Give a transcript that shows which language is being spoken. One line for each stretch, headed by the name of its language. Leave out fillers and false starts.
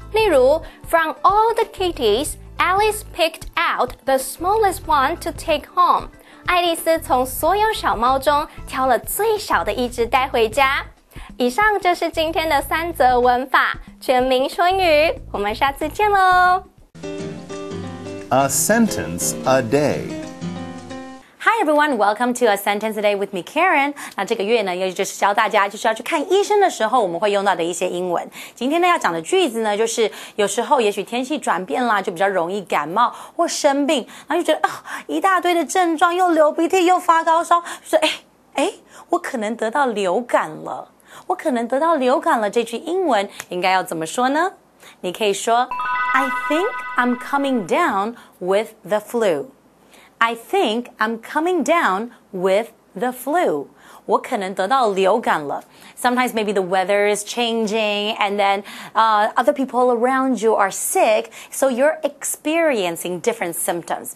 Chinese: 例如
English: From all the kitties, Alice picked out the smallest one to take home.
Chinese: 爱丽丝从所有小猫中挑了最小的一只带回家。以上就是今天的三则文法，全民说英语，我们下次见咯。
English: A sentence a day. Hi everyone, welcome to A Sentence a Day with me, Karen.
Chinese: 那这个月呢，又就是教大家就是要去看医生的时候我们会用到的一些英文。今天呢要讲的句子呢，就是有时候也许天气转变啦，就比较容易感冒或生病，然后就觉得一大堆的症状，又流鼻涕又发高烧，就说我可能得到流感了，我可能得到流感了。这句英文应该要怎么说呢？你可以说
English: I think I'm coming down with the flu. I think I'm coming down with the flu.
Chinese: 我可能得到流感了。
English: Sometimes maybe the weather is changing and then other people around you are sick, so you're experiencing different symptoms.